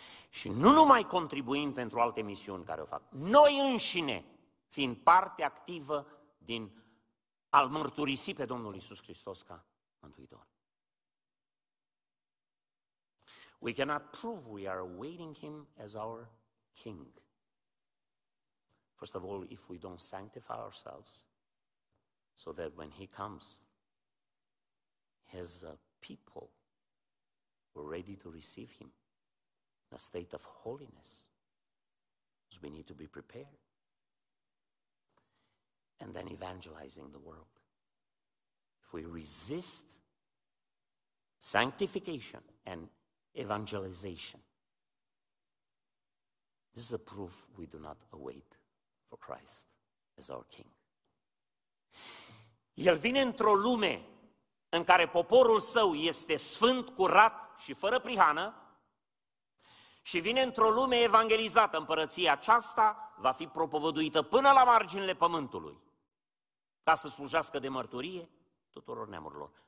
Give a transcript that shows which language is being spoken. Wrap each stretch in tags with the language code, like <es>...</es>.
<ro>Și nu numai contribuim pentru alte misiuni care o fac, noi înșine, fiind parte activă din al mărturisi pe Domnul Iisus Hristos ca Mântuitor.</ro> <en>We cannot prove we are awaiting him as our king. First of all, if we don't sanctify ourselves, so that when he comes, his people were ready to receive him in a state of holiness, so we need to be prepared. And then evangelizing the world. If we resist sanctification and evangelization, this is a proof we do not await for Christ as our king.</en> <ro>El vine într-o lume în care poporul său este sfânt, curat și fără prihană și vine într-o lume evangelizată. Împărăția aceasta va fi propovăduită până la marginile pământului ca să slujească de mărturie tuturor neamurilor.</ro>